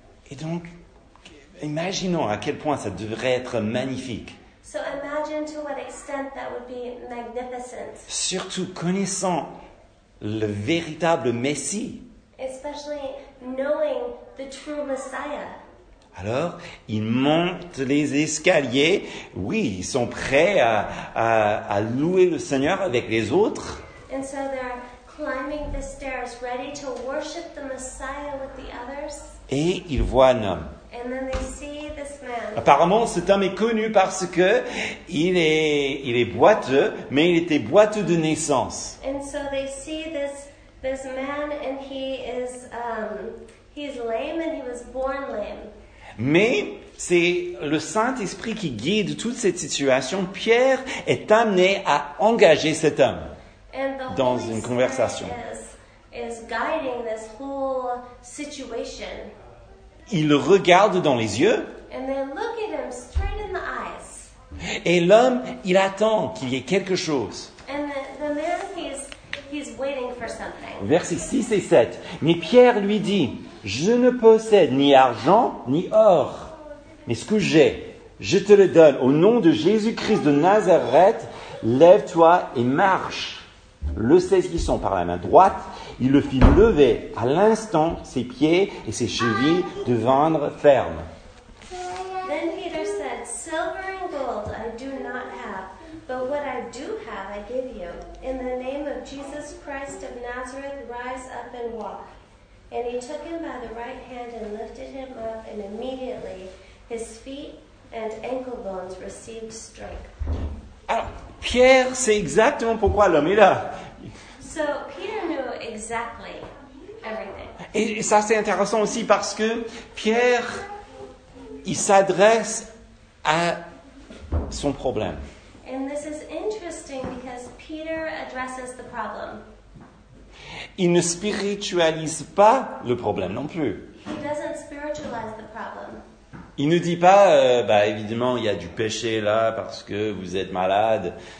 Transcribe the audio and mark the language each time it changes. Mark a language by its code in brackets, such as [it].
[fr] Et donc, imaginons à quel point ça devrait être magnifique. [en] So imagine to what extent that would be magnificent. [fr] Surtout connaissant le véritable Messie. [en] Especially knowing the true Messiah. [fr] Alors, ils montent les escaliers. Oui, ils sont prêts à louer le Seigneur avec les autres. [en] And so they're climbing the stairs, ready to worship the Messiah with the others. [fr] Et ils voient un homme. [en] And then they see this man. [fr] Apparemment, cet homme est connu parce que il est boiteux, mais il était boiteux de naissance. [en] And so they see this man, and he's lame, and he was born lame. [fr] Mais c'est le Saint-Esprit qui guide toute cette situation. Pierre est amené à engager cet homme dans une conversation. [en] Is guiding this whole situation. [fr] Il le regarde dans les yeux. [en] And they look at him straight in the eyes. [fr] Et l'homme, il attend qu'il y ait quelque chose. [en] And the man, he's waiting for something. [fr] Versets 6 et 7. Mais Pierre lui dit, je ne possède ni argent ni or, mais ce que j'ai, je te le donne. Au nom de Jésus-Christ de Nazareth, lève-toi et marche. Le saisissant par la main droite, il le fit lever à l'instant ses pieds et ses chevilles devinrent fermes. [en] Then Peter said, silver and gold I do not have, but what I do have I give you. In the name of Jesus Christ of Nazareth, rise up and walk. And he took him by the right hand and lifted him up, and immediately his feet and ankle bones received strength. [fr] Alors, Pierre sait exactement pourquoi l'homme est là. [en] So, Peter knew exactly everything. [fr] Et ça, c'est intéressant aussi parce que Pierre, il s'adresse à son problème. [en] And this is interesting because Peter addresses the problem. [fr] Il ne spiritualise pas le problème non plus. [en] He doesn't spiritualize the problem. [fr] Il ne dit pas, bah, évidemment, il y a du péché là parce que vous êtes malade.